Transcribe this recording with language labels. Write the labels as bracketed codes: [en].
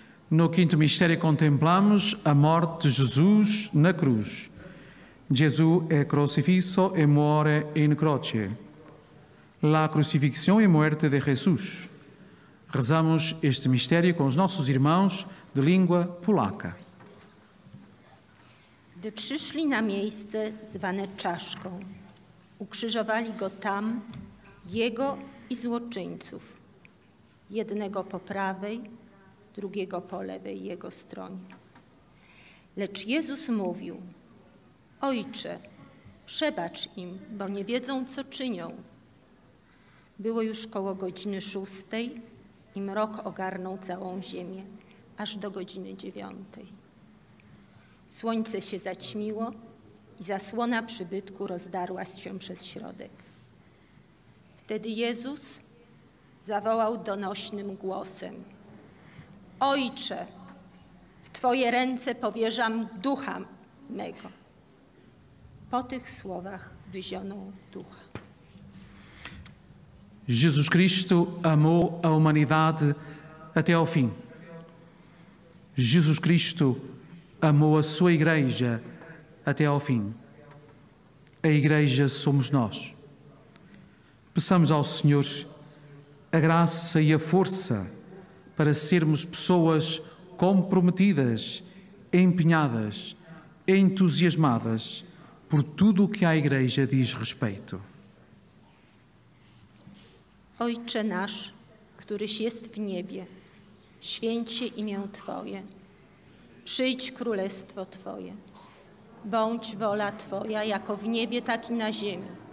[pt] No quinto mistério contemplamos a morte de Jesus na cruz. Jesus é crucifixo e [it] muore in croce. [pt] La crucifixão e morte de Jesus. Rezamos este mistério com os nossos irmãos de língua polaca. [pl] Gdy przyszli na miejsce zwane czaszką, ukrzyżowali go tam, jego i złoczyńców, jednego po prawej, drugiego po lewej jego stronie. Lecz Jezus mówił: Ojcze, przebacz im, bo nie wiedzą, co czynią. Było już koło godziny szóstej i mrok ogarnął całą ziemię, aż do godziny dziewiątej. Słońce się zaćmiło i zasłona przybytku rozdarła się przez środek. Wtedy Jezus zawołał donośnym głosem: Ojcze, w Twoje ręce powierzam ducha mego. Po tych słowach wyzionął ducha. [pt] Jesus Cristo amou a humanidade até ao fim. Jesus Cristo amou a sua igreja até ao fim. A igreja somos nós. Peçamos ao Senhor a graça e a força para sermos pessoas comprometidas, empenhadas, entusiasmadas por tudo o que a Igreja diz respeito. [pl] Ojcze nasz, któryś jest w niebie, święci imię Twoje, przyjdź królestwo Twoje, bądź wola Twoja, jako w niebie, tak i na ziemi.